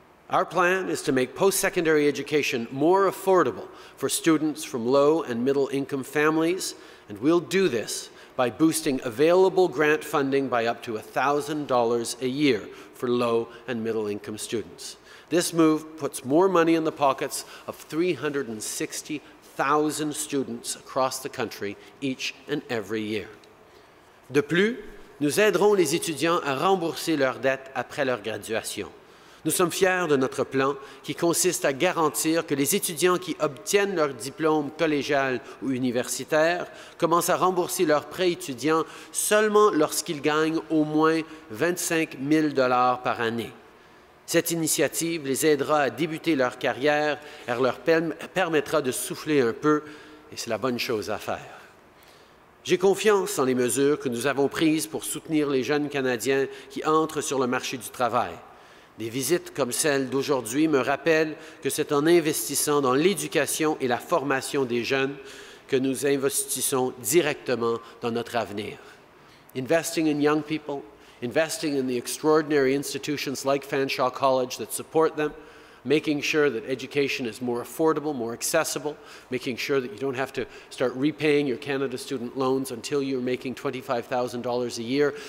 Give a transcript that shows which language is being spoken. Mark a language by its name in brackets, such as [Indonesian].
[English] Our plan is to make post-secondary education more affordable for students from low- and middle-income families, and we'll do this by boosting available grant funding by up to $1,000 a year for low- and middle-income students. This move puts more money in the pockets of 360,000 students across the country each and every year. [French] De plus, nous aiderons les étudiants à rembourser leurs dettes après leur graduation. Nous sommes fiers de notre plan qui consiste à garantir que les étudiants qui obtiennent leur diplôme collégial ou universitaire commencent à rembourser leurs prêts étudiants seulement lorsqu'ils gagnent au moins 25 000 $ par année. Cette initiative les aidera à débuter leur carrière et leur permettra de souffler un peu, et c'est la bonne chose à faire. J'ai confiance en les mesures que nous avons prises pour soutenir les jeunes Canadiens qui entrent sur le marché du travail. Des visites comme celle d'aujourd'hui me rappellent que c'est en investissant dans l'éducation et la formation des jeunes que nous investissons directement dans notre avenir. [English] Investing in young people, investing in the extraordinary institutions like Fanshawe College that support them, making sure that education is more affordable, more accessible, making sure that you don't have to start repaying your Canada student loans until you're making $25,000 a year.